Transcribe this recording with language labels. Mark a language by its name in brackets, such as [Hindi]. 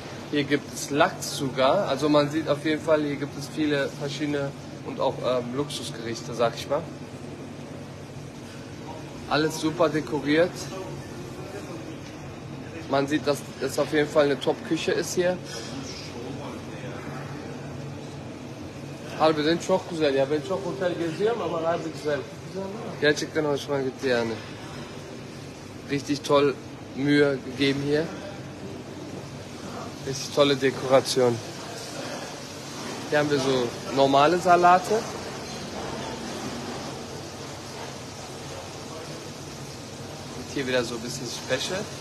[German] Hier gibt es Lachs sogar. Also man sieht auf jeden Fall, hier gibt es viele verschiedene und auch Luxusgerichte, sag ich mal. Alles super dekoriert. Man sieht, dass es auf jeden Fall eine Top-Küche ist hier. Halbe sind [Turkish] çok güzel ya. Ben çok otel geziyorum ama halbe güzel. Gerçekten hoşuma gitti yani. [German] Richtig toll Mühe gegeben hier. Richtig tolle Dekoration. Hier haben wir so normale Salate. Und hier wieder so ein bisschen Special.